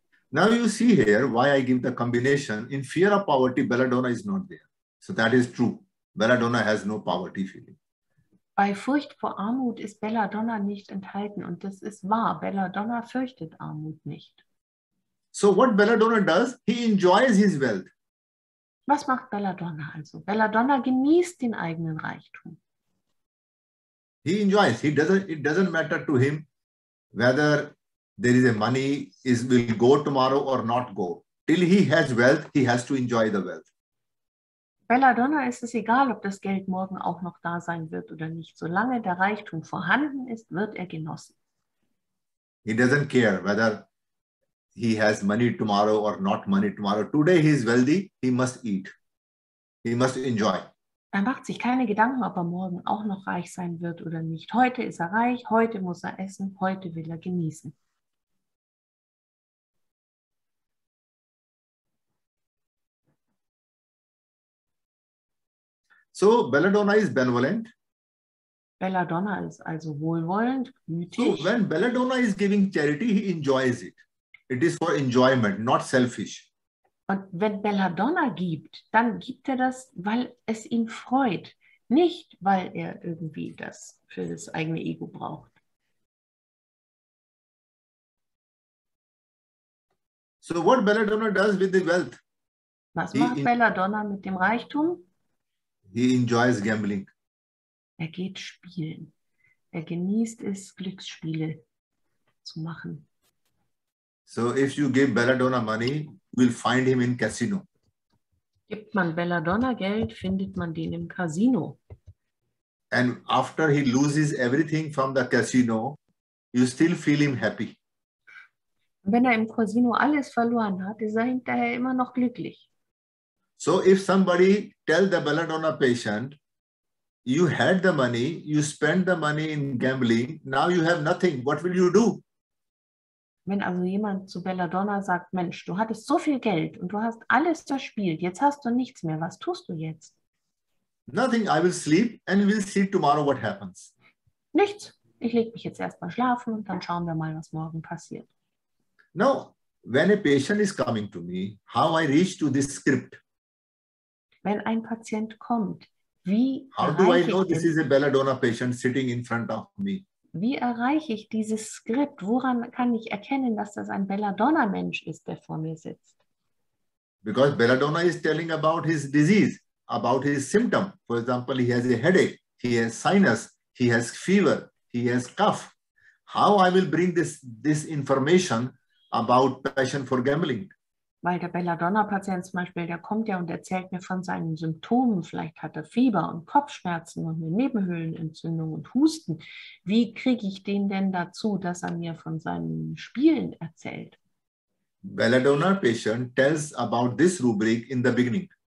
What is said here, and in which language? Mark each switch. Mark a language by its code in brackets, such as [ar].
[en] Now you see here why I give the combination. In fear of poverty, Belladonna is not there. So that is true. Belladonna has no poverty feeling. [de] Bei Furcht vor Armut ist Belladonna nicht enthalten. Und das ist wahr. Belladonna fürchtet Armut nicht. [en] So what Belladonna does, he enjoys his wealth. [de] Was macht Belladonna also? Belladonna genießt den eigenen Reichtum. [en] He enjoys. It doesn't matter to him whether there is a money is will go tomorrow or not go. Till he has wealth, he has to enjoy the wealth. [de] Belladonna ist es egal, ob das Geld morgen auch noch da sein wird oder nicht. Solange der Reichtum vorhanden ist, wird er genossen. [en] He doesn't care whether he has money tomorrow or not money tomorrow. Today he is wealthy, he must eat. He must enjoy. [de] Er macht sich keine Gedanken, ob er morgen auch noch reich sein wird oder nicht. Heute ist er reich, heute muss er essen, heute will er genießen. [en] So, Belladonna is benevolent. [de] Belladonna ist also wohlwollend, gütig. [en] So, when Belladonna is giving charity, he enjoys it. It is for enjoyment, not selfish. [de] Und wenn Belladonna gibt, dann gibt er das, weil es ihn freut. Nicht, weil er irgendwie das für das eigene Ego braucht. [en] So what Belladonna does with the wealth? [de] Was macht Belladonna mit dem Reichtum? [en] He enjoys gambling. [de] Er geht spielen. Er genießt es, Glücksspiele zu machen. [en] So if you give Belladonna money, we'll find him in casino. [de] Gibt man Belladonna Geld, findet man den im Casino. [en] And after he loses everything from the casino, you still feel him happy. [de] Wenn er im Casino alles verloren hat, ist er hinterher immer noch glücklich. [en] So if somebody tell the Belladonna patient, you had the money, you spent the money in gambling, now you have nothing, what will you do? [de] Wenn also jemand zu Belladonna sagt, Mensch, du hattest so viel Geld und du hast alles verspielt, jetzt hast du nichts mehr, was tust du jetzt? [en] Nothing, I will sleep and we'll see tomorrow what happens. [de] Nichts, ich lege mich jetzt erstmal schlafen und dann schauen wir mal, was morgen passiert. [en] Now, when a patient is coming to me, how I reach to this script? [de] Wenn ein Patient kommt, wie [en] how do I know this is a Belladonna patient sitting in front of me? [de] Wie erreiche ich dieses Skript? Woran kann ich erkennen, dass das ein Belladonna-Mensch ist, der vor mir sitzt? [en] Because Belladonna is telling about his disease, about his symptom. For example, he has a headache, he has sinus, he has fever, he has cough. How I will bring this information about passion for gambling? [de] Weil der Belladonna-Patient zum Beispiel, der kommt ja und erzählt mir von seinen Symptomen. Vielleicht hat er Fieber und Kopfschmerzen und eine Nebenhöhlenentzündung und Husten. Wie kriege ich den denn dazu, dass er mir von seinen Spielen erzählt? [en] Belladonna-Patient tells about this rubric in the beginning.